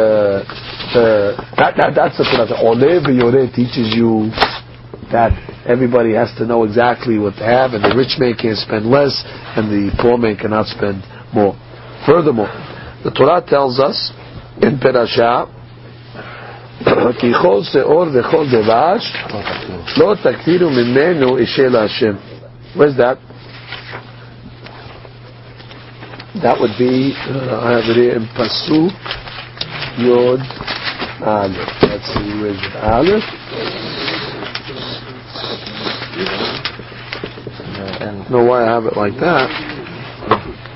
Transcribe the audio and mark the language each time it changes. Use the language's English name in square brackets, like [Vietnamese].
[English] That's the thing. Olay v'yoreh teaches you that everybody has to know exactly what they have, and the rich man can't spend less, and the poor man cannot spend more. Furthermore, the Torah tells us in Perashah [Hebrew] כיכול שאור וכל דבש לא תקטירו ממנו אישה להשם. [English] What's that? That would be, I have it here in Pasuk Yod Aleph. Let's see, where is it? Aleph? No, why I have it like that.